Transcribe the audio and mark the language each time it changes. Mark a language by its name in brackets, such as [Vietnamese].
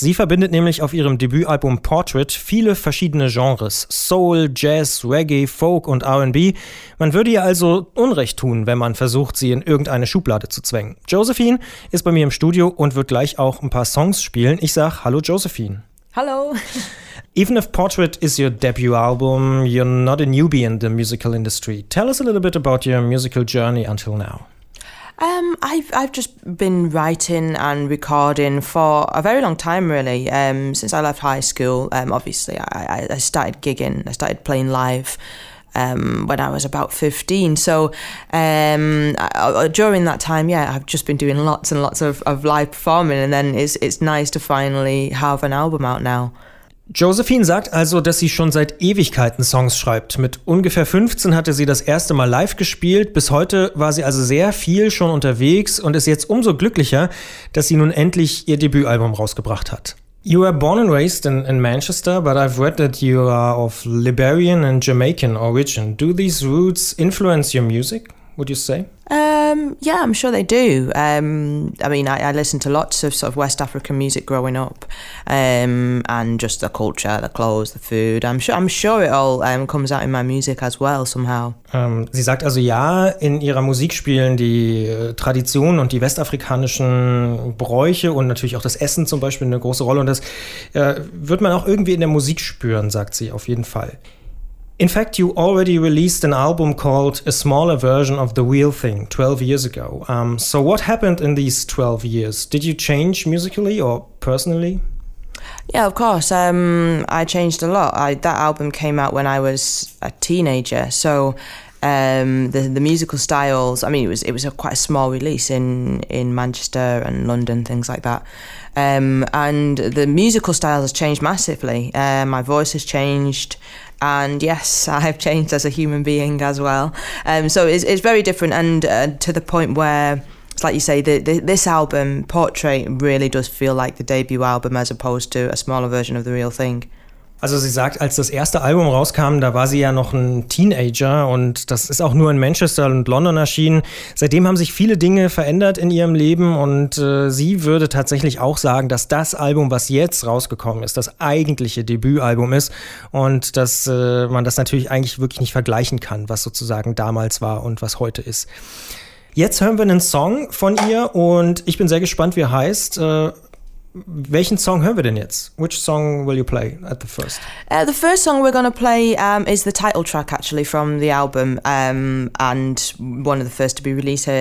[German] Sie verbindet nämlich auf ihrem Debütalbum Portrait viele verschiedene Genres. Soul, Jazz, Reggae, Folk und R&B. Man würde ihr also Unrecht tun, wenn man versucht, sie in irgendeine Schublade zu zwängen. Josephine ist bei mir im Studio und wird gleich auch ein paar Songs spielen. Ich sag hallo Josephine. Hallo. [English] Even if Portrait is your debut album, you're not a newbie in the musical industry. Tell us a little bit about your musical journey until now. I've just been writing and recording for a very long time, really. Since I left high school, obviously I started gigging, I started playing live when I was about 15. So during that time, yeah, I've just been doing lots and lots of live performing, and then it's nice to finally have an album out now. [German] Josephine sagt also, dass sie schon seit Ewigkeiten Songs schreibt. Mit ungefähr 15 hatte sie das erste Mal live gespielt. Bis heute war sie also sehr viel schon unterwegs und ist jetzt umso glücklicher, dass sie nun endlich ihr Debütalbum rausgebracht hat. [English] You were born and raised in Manchester, but I've read that you are of Liberian and Jamaican origin. Do these roots influence your music, would you say? Yeah, I'm sure they do. I listened to lots of sort of West African music growing up, and just the culture, the clothes, the food. I'm sure it all comes out in my music as well somehow. [German] Sie sagt also ja, in ihrer Musik spielen die Traditionen und die westafrikanischen Bräuche und natürlich auch das Essen zum Beispiel eine große Rolle. Und das wird man auch irgendwie in der Musik spüren, sagt sie auf jeden Fall. [English] In fact, you already released an album called A Smaller Version of the Real Thing 12 years ago. So what happened in these 12 years? Did you change musically or personally? Yeah, of course. I changed a lot. That album came out when I was a teenager. So the musical styles, I mean, it was quite a small release in Manchester and London, things like that. And the musical styles has changed massively. My voice has changed. And yes, I've changed as a human being as well. So it's very different, and to the point where, it's like you say, this album, Portrait, really does feel like the debut album as opposed to a smaller version of the real thing. [German] Also sie sagt, als das erste Album rauskam, da war sie ja noch ein Teenager und das ist auch nur in Manchester und London erschienen. Seitdem haben sich viele Dinge verändert in ihrem Leben und sie würde tatsächlich auch sagen, dass das Album, was jetzt rausgekommen ist, das eigentliche Debütalbum ist und dass man das natürlich eigentlich wirklich nicht vergleichen kann, was sozusagen damals war und was heute ist. Jetzt hören wir einen Song von ihr und ich bin sehr gespannt, wie er heißt. Welchen Song hören wir denn jetzt? [English] Which song will you play at the first? The first song we're going to play is the title track, actually, from the album, and one of the first to be released here.